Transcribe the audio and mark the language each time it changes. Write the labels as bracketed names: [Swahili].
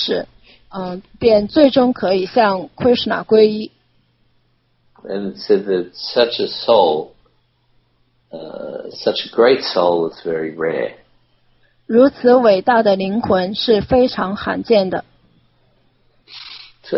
[Chinese] 而在这些就是四种人当中的寻求绝对真理的人当中，当他经过许许多多次的生死之后，最终得到知识，便最终可以向 Krishna 皈依。 [English] And it said that such a soul, such a great soul is very rare. [Chinese] 如此伟大的灵魂是非常罕见的。 [English] So